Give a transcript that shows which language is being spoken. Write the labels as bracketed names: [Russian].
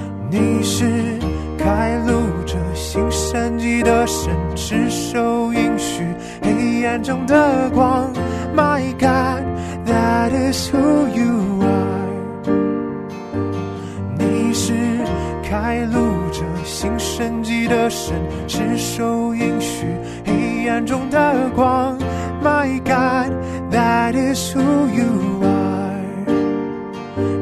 [Chinese] 你是开路者，行神迹的神，持守应许，黑暗中的光。 [English] My God, that is who you are. [Chinese] 你是开路者，行神迹的神，持守应许，黑暗中的光。 [English] My God, that is who you are.